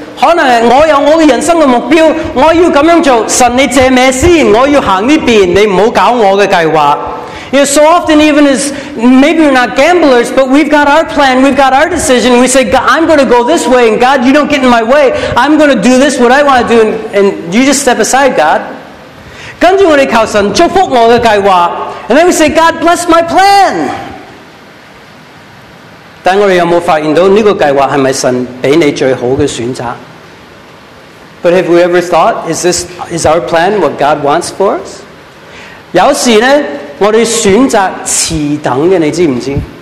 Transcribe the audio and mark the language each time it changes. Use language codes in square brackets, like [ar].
[zh] 有很多人觉得不一定是赌,可能我有我的人生的目标, 我要这样做,神你借什么先,我要走这边,你不要搞我的计划。 [en] You know, so often even as, maybe we're not gamblers, but we've got our plan, we've got our decision, we say, God, I'm going to go this way, and God, you don't get in my way, I'm going to do this, what I want to do, and you just step aside, God. [zh] 跟着我们靠神,祝福我的计划, [en] and then we say, God, bless my plan. [zh] 但我们有没有发现到这个计划是不是神给你最好的选择? [en] But have we ever thought, is our plan what God wants for us? [zh] 有时呢, 我们选择迟等的,你知不知?